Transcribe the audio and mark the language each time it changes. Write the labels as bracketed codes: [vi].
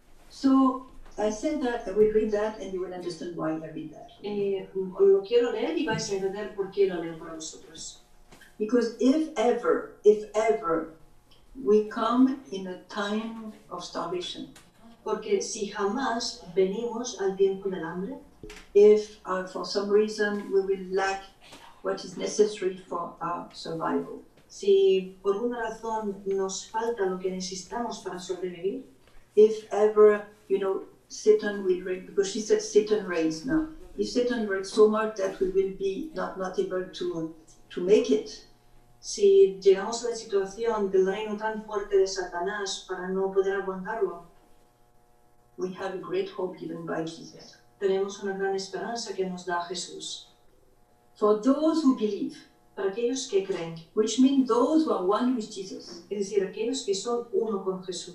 [en] So I said that we read that and you will understand why I read that. [es] Lo quiero leer y vais a entender por qué lo leo para vosotros. [en] Because if ever we come in a time of starvation. [es] Porque si jamás venimos al tiempo del hambre, [en] if for some reason we will lack what is necessary for our survival. [es] Si por una razón nos falta lo que necesitamos para sobrevivir, [en] if ever, you know, Satan will reign, because she said Satan reigns now. If Satan reigns so much that we will be not able to make it. [es] Si llegamos a la situación del reino tan fuerte de Satanás para no poder aguantarlo, [en] we have a great hope given by Jesus. [es] Tenemos una gran esperanza que nos da Jesús. [en] For those who believe, [es] para aquellos que creen, [en] which means those who are one with Jesus. [es] Es decir, aquellos que son uno con Jesús.